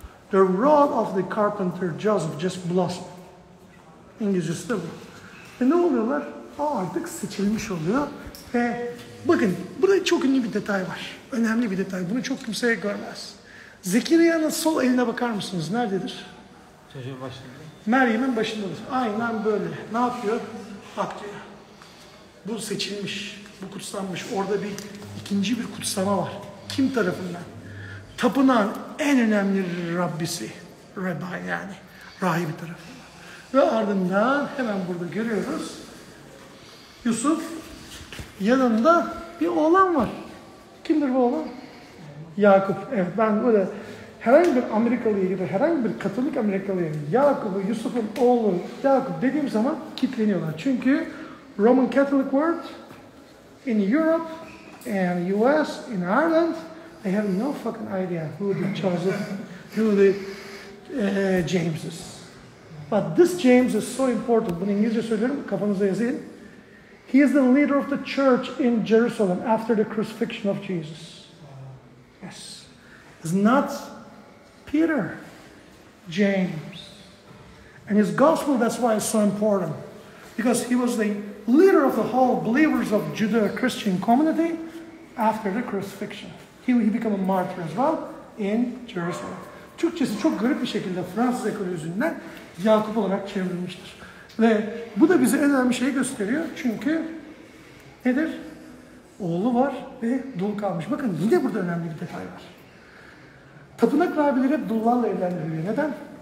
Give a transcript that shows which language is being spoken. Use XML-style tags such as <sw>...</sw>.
<en>The rod of the carpenter Joseph just blossomed.</en> <tr>İngilizcesi de bu. Ve ne oluyorlar? Artık seçilmiş oluyor. Ve bakın, burada çok ünlü bir detay var. Önemli bir detay. Bunu çok kimse görmez. Zekeriya'nın sol eline bakar mısınız? Nerededir? Çocuğun başında. Meryem'in başındadır. Aynen böyle. Ne yapıyor? Bak diyor. Bu seçilmiş. Bu kutsanmış. Orada bir ikinci bir kutsama var. Kim tarafından? Tapınağın en önemli Rabbisi, Rabbi yani, rahibi tarafından. Ve ardından hemen burada görüyoruz, Yusuf yanında bir oğlan var. Kimdir bu oğlan? Yakup. Evet, ben böyle herhangi bir Amerikalı'ya gidip, herhangi bir Katolik Amerikalı'ya Yakup'u, Yusuf'un oğlu Yakup dediğim zaman kilitleniyorlar.</tr> <en>Çünkü Roman Catholic World, in Europe, in US, in Ireland, I have no fucking idea who the Joseph, who the James is. But this James is so important. Bunu İngilizce söylüyorum, kafanıza yazayım. He is the leader of the church in Jerusalem after the crucifixion of Jesus. Yes. It's not Peter. James. And his gospel, that's why it's so important. Because he was the leader of the whole believers of Judeo-Christian community after the crucifixion. He became a martyr as well in Jerusalem.</en> <tr>Türkçesi çok garip bir şekilde Fransız ekolü yüzünden Yakup olarak çevrilmiştir. Ve bu da bize en önemli şeyi gösteriyor. Çünkü nedir? Oğlu var ve dul kalmış. Bakın yine burada önemli bir detay var. Tapınak rahibleri hep dullarla evlendiriliyor. Neden?</tr>